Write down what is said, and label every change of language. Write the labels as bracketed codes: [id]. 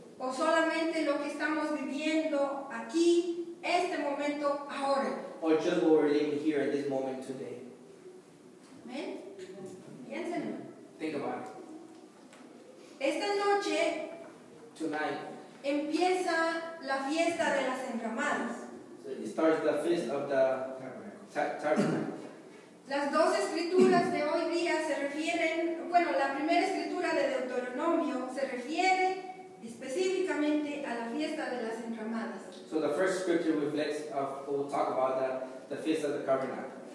[es] O solamente lo que estamos viviendo aquí, este momento, ahora. [en] Or just what we're living here at this moment today. [es] Amen. Piénsenlo. [en] Think about it. [es] Esta noche. [en] Tonight. [es] Empieza la fiesta de las enramadas. [en] So it starts the feast of the tabernacle. [es] Las dos escrituras de hoy Bueno, la primera escritura de Deuteronomio se refiere específicamente a la fiesta de las enramadas. [en] So the first scripture reflects of we'll talk about the feast of the covenant.